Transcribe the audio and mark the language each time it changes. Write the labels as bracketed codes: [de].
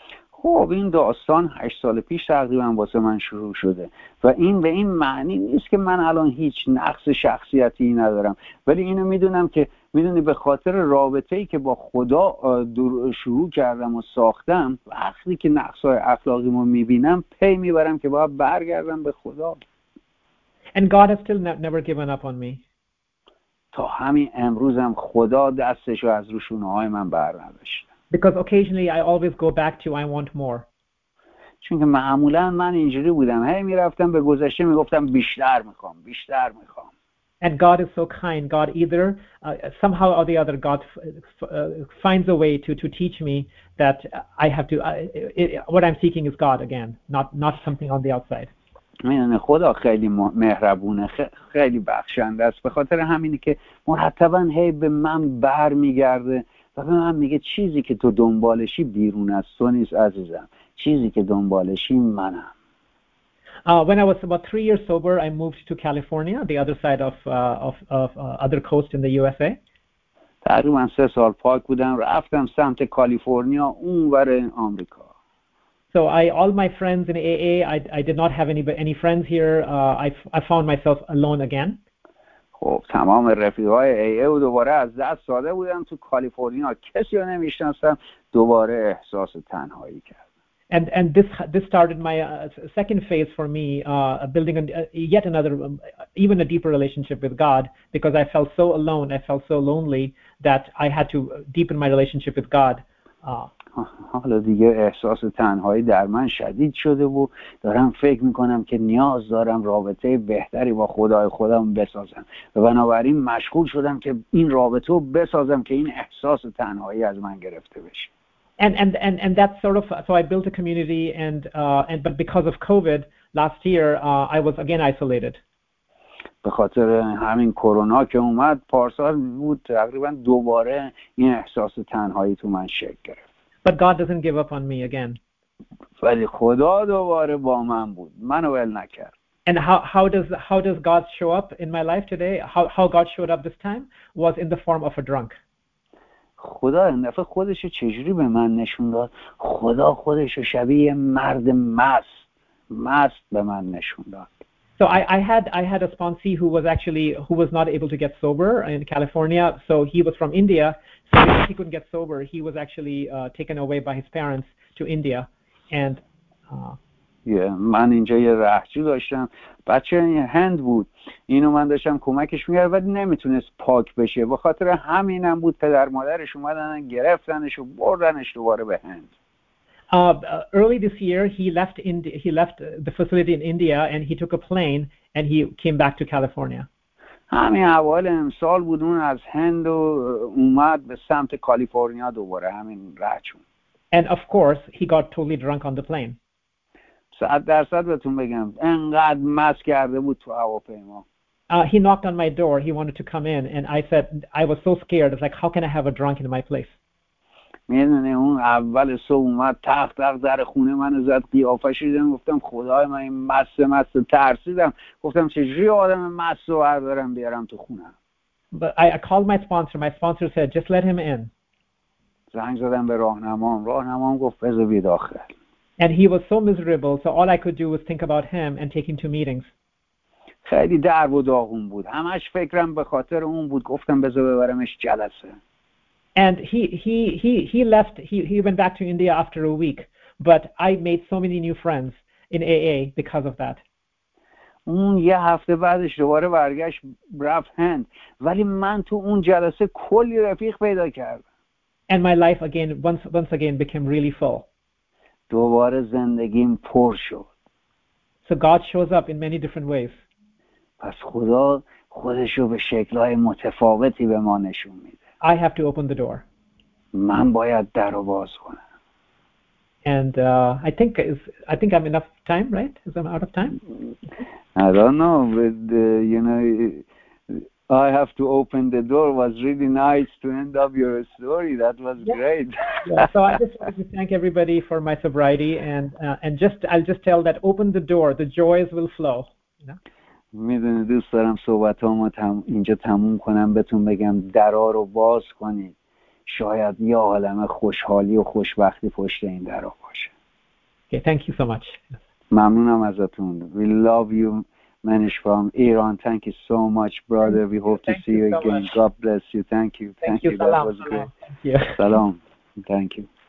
[fa] خب این داستان 8 سال پیش تقریبا واسه من شروع شده و این به این معنی نیست که من الان هیچ نقص شخصیتی ندارم، ولی اینو میدونم که میدونی به خاطر رابطه‌ای که با خدا شروع کردم و ساختم، وقتی که نقصهای اخلاقی رو میبینم پی میبرم که باید برگردم به خدا. [en] And God has still never given up on me. [fa] تا همین امروزم خدا دستش رو از رو شونه‌های من بر نداشت. [en] Because occasionally I always go back to I want more. [fa] چون که معمولا من اینجوری بودم، هی میرفتم به گذشته میگفتم بیشتر میخوام، بیشتر میخوام. [en] And God is so kind. God either somehow or the other God finds a way to teach me that I have to what I'm seeking is God again, not something on the outside. [fa] من خدا خیلی مهربونه، خیلی بخشنده است. به خاطر همینی که مرتبا هی به من برمیگرده. و من میگه چیزی که تو دنبالشی بیرون از تو نیست عزیزم، چیزی که دنبالشی منم. [en] When I was about 3 years sober, I moved to California, the other side of other coast in the USA. [fa] تقریبا 3 سال پاک بودم، رفتم سمت کالیفرنیا اونور آمریکا. [en] So I all my friends in AA, I did not have any friends here. I found myself alone again. [fa] خب تمام رفیقای AA رو دوباره از دست داده بودم تو کالیفرنیا، کسی رو نمی‌شناستم، دوباره احساس تنهایی کردم. [en] And this started my second phase for me, building yet another even a deeper relationship with God, because I felt so alone, I felt so lonely that I had to deepen my relationship with God. [fa] حالا دیگه احساس تنهایی در من شدید شده و دارم فکر میکنم که نیاز دارم رابطه بهتری با خدای خودم بسازم و بنابراین مشغول شدم که این رابطه رو بسازم که این احساس تنهایی از من گرفته بشه. [en] And that sort of, so I built a community and but because of COVID last year I was again isolated. [fa] به خاطر همین کرونا که اومد پارسال بود تقریبا دوباره این احساس تنهایی تو من شکل گرفت. [en] But God doesn't give up on me again. [fa] ولی خدا دوباره با من بود. منو ول نکرد. [en] And how does God show up in my life today? How God showed up this time was in the form of a drunk. [fa] خدا این دفعه خودش چجوری به من نشون داد؟ خدا خودش شبیه مرد مست به من نشون داد. [en] So I had a sponsee who was not able to get sober in California. So he was from India. So because he couldn't get sober, he was actually taken away by his parents to India. And [fa] من اینجا یه رهجو داشتم، بچه هند بود، اینو من داشتم کمکش میگردم ولی نمیتونست پاک بشه، به خاطر همینم بود پدر مادرش اومدن گرفتنش و بردنش دوباره به هند. [en] Early this year he left the facility in India and he took a plane and he came back to California. [fa] همین اول امسال بود اون از هند و اومد به سمت کالیفرنیا دوباره همین رهچون. [en] And of course he got totally drunk on the plane. [fa] 100% بهتون بگم انقدر مست کرده بود تو هواپیما. [en] He knocked on my door, he wanted to come in and I said I was so scared, it's like how can I have a drunk in my place. [fa] میدونه اون اول صبح اومد تخت تخت در خونه من زد، قیافه شدیدم، گفتم خدای من این مست مست ترسیدم، گفتم چجوری آدم مست رو بردارم بیارم تو خونه. [en] But I called my sponsor. My sponsor said, just let him in. [fa] زنگ زدم به راهنمام. راهنمام گفت بذار بی داخل. [en] And he was so miserable, so all I could do was think about him and take him to meetings. [fa] خیلی درب و داغون بود. همش فکرم به خاطر اون بود. گفتم بذار ببرمش جلسه. [en] And he left, he went back to India after a week. But I made so many new friends in AA because of that. [fa] اون یه هفته بعدش دوباره برگشت رفت هند. ولی من تو اون جلسه کلی رفیق پیدا کردم. [en] And my life again, once again became really full. [fa] دوباره زندگیم پر شد. [en] So God shows up in many different ways. [fa] پس خدا خودشو به شکلهای متفاوتی به ما نشون میده. [en] I have to open the door. [fa] من باید در رو باز کنم. [en] And I think I'm enough time, right? Is I'm out of time? I don't know, but you know, I have to open the door was really nice to end up your story. That was great. Yeah. So I just want to thank everybody for my sobriety and I'll just tell that open the door, the joys will flow. You know? [fa] میدونی دوست دارم صحبتامو اینجا تموم کنم، بهتون بگم درا رو باز کنید، شاید یه عالم خوشحالی و خوشبختی پشت این درا باشه. [en] Okay, thank you so much. [fa] ممنونم ازتون. [en] We love you, Manish from Iran. Thank you so much, brother. We hope to see you again. God bless you. Thank you. Thank you. That was good. Thank you. Salam. Thank you.